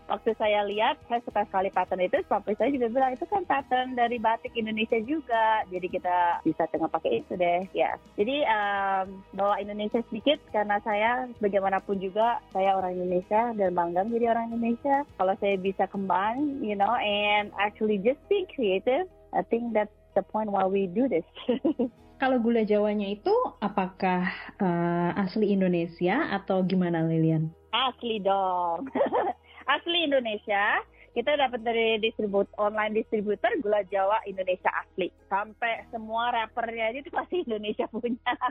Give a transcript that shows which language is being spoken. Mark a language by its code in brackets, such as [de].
[id] Waktu saya lihat, saya suka sekali pattern itu. Puffy saya juga bilang, itu kan pattern dari batik Indonesia juga. Jadi kita bisa tengah pakai itu deh. Jadi bawa Indonesia sedikit, karena saya bagaimanapun juga saya orang Indonesia dan bangga jadi orang Indonesia. Kalau saya bisa combine, [en] you know, and actually just being creative, I think that's the point why we do this. [id] Kalau gula jawanya itu apakah asli Indonesia atau gimana, Lilian? Asli dong. Asli Indonesia. Kita dapat dari online distributor gula jawa Indonesia asli. Sampai semua wrappernya itu pasti Indonesia punya.